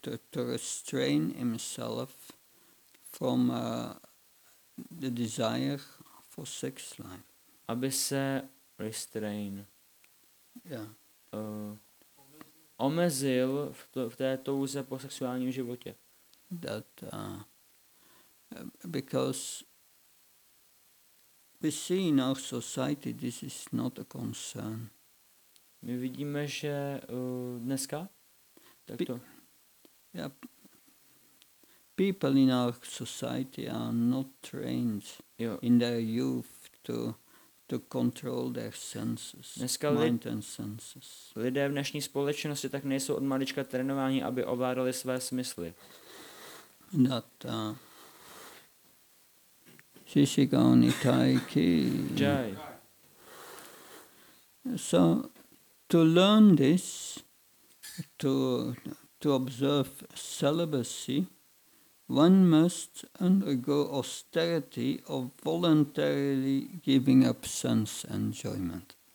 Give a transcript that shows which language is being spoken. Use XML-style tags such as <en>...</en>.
<en>To restrain himself from the desire for sex life.</en> <cs>Aby se</cs> <en>restrain. Yeah.</en> <cs>Omezil v té touze po sexuálním životě.</cs> <en>That because we see in our society this is not a concern.</en> <cs>My vidíme, že dneska tak to. Yeah.</cs> <en>People in our society are not trained in their youth to control their senses,</en> <cs>dneska</cs> <en>mind and senses.</en> <cs>Lidé v dnešní společnosti tak nejsou od malička trénováni, aby ovládali své smysly. That Shishigauni Taiki. Jai.</cs> <en>So to learn this, to observe celibacy, one must undergo austerity of voluntarily giving up sense enjoyment.</en>